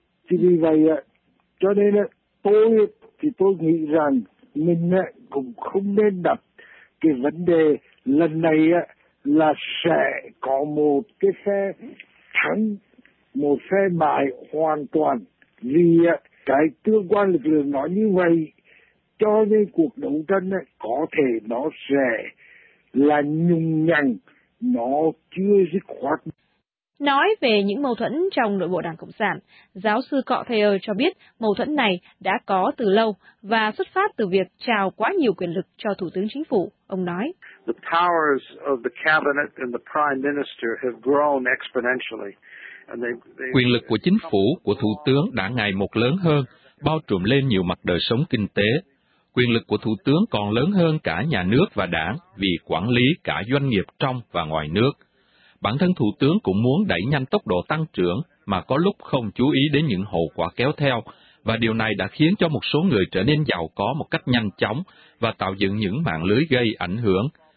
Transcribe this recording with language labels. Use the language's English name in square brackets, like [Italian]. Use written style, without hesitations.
[Vietnamese] Thì vì vậy, cho nên ấy, tôi nghĩ rằng mình ấy, cũng không nên đặt cái vấn đề lần này ấy, là sẽ có một cái phe thắng, một phe bại hoàn toàn, vì cái tương quan lực lượng nói như vậy cho nên cuộc đấu tranh ấy, có thể nó sẽ là nhung nhằng, nó chưa dứt khoát. Nói về những mâu thuẫn trong nội bộ Đảng Cộng sản, giáo sư Cọ Thầy ơi cho biết mâu thuẫn này đã có từ lâu và xuất phát từ việc trao quá nhiều quyền lực cho Thủ tướng Chính phủ. Ông nói: [English] The powers of the cabinet and the prime minister have grown exponentially. [Vietnamese] Quyền lực của chính phủ, của thủ tướng đã ngày một lớn hơn, bao trùm lên nhiều mặt đời sống kinh tế. Quyền lực của thủ tướng còn lớn hơn cả nhà nước và đảng vì quản lý cả doanh nghiệp trong và ngoài nước. Bản thân thủ tướng cũng muốn đẩy nhanh tốc độ tăng trưởng mà có lúc không chú ý đến những hậu quả kéo theo, và điều này đã khiến cho một số người trở nên giàu có một cách nhanh chóng và tạo dựng những mạng lưới gây ảnh hưởng.